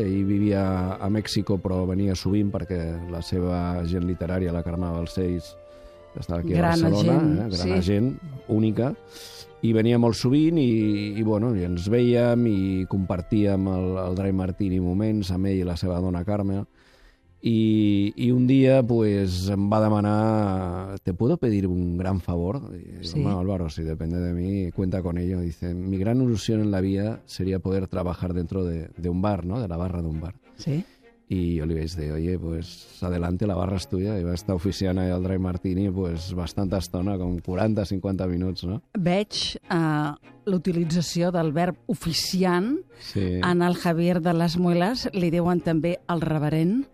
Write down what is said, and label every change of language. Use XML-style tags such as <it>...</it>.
<ca>Ell vivia a Mèxico, però venia sovint perquè la seva agent literària, la Carme Balcells, estava aquí gran a Barcelona. Agent, eh? Gran Agent, única. I venia molt sovint i bueno, i ens veiem i compartíem el Dray Martini moments amb ell i la seva dona Carme. I un dia pues, em va demanar,</ca> <es>¿te puedo pedir un gran favor?</es> <ca>I, sí.</ca> <es>Home, Álvaro, si depende de mí, cuenta con ello. Dice, mi gran ilusión en la vida sería poder trabajar dentro de un bar, ¿no? De la barra de un bar. Sí.</es> <ca>I jo li vaig dir,</ca> <es>oye, pues adelante, la barra es tuya.</es> <ca>I va estar oficiant allà el Dray Martini pues, bastanta estona, com 40-50 minuts, no? Veig l'utilització del verb oficiant, sí. En el Javier de las Muelas li diuen també el reverent.</ca>